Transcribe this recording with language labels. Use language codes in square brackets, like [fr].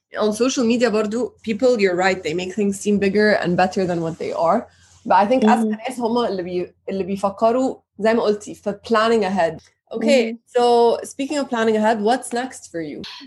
[en] On social media [ar] برضو [en] people you're right they make things seem bigger and better than what they are. But I think [ar] أكثر ناس هما اللي بيفكروا زي ما قلتي في [en] planning ahead. Okay, so speaking of planning ahead, what's next for you?